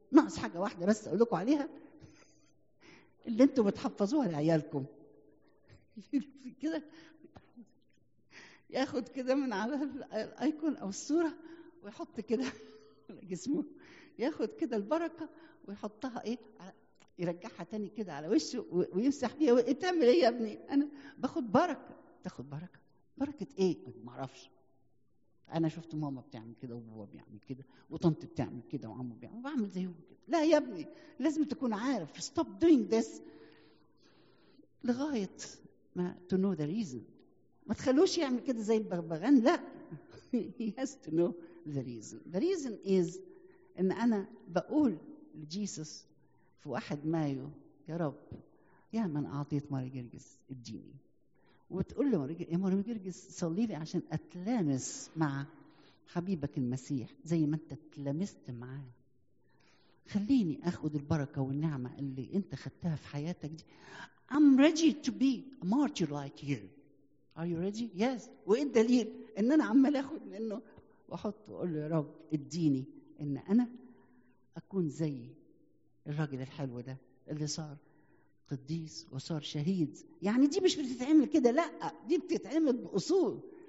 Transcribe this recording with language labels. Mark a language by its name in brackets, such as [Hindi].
[Arabic] ناقص حاجة واحدة بس أقول لكم عليها، اللي أنتوا بتحفظوها لعيالكم كده، ياخد كده من على الأيكون أو الصورة ويحط كده جسمه، ياخد كده البركه ويحطها ايه، يرجعها تاني كده على وشه ويمسح بيها. تعمل ايه يا ابني؟ انا باخد بركه. تاخد بركه؟ بركه ايه؟ ما اعرفش. انا شفت ماما بتعمل كده وبابا بيعمل كده وطنط بتعمل كده وعمو بيعمل، بعمل زيهم كده. لا يا ابني، لازم تكون عارف. [English] stop doing this [Arabic] لغايه ما [English] to know the reason. [Arabic] ما تخلوش يعمل كده زي البغبغان، لا. [English] he has to know the reason. The reason is [Arabic] ان انا بقول لجيسوس في 1 مايو، يا رب يا من اعطيت ماري جرجس اديني. وتقول لي يا ماري جرجس صلي لي عشان اتلامس مع حبيبك المسيح زي ما انت اتلامست معاه. خليني اخد البركه والنعمه اللي انت خدتها في حياتك دي. [English] I'm ready to be a martyr like you. Are you ready? Yes. [Arabic] وايه الدليل؟ ان انا عمال اخد منه واحط واقول له يا رب اديني ان انا اكون زي الراجل الحلو ده اللي صار قديس وصار شهيد. يعني دي مش بتتعمل كده، لا دي بتتعمل باصول.